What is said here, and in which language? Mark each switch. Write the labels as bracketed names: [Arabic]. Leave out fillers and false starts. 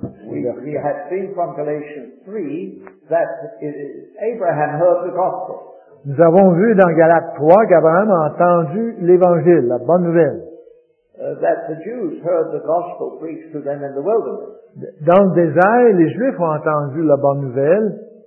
[English] we had seen from Galatians 3 that Abraham heard the gospel. [French] Nous avons vu dans Galates 3 qu'Abraham a entendu l'Évangile, la bonne nouvelle. [English] That the Jews heard the gospel preached to them in the wilderness. [French] Dans le désert, les Juifs ont entendu la bonne nouvelle.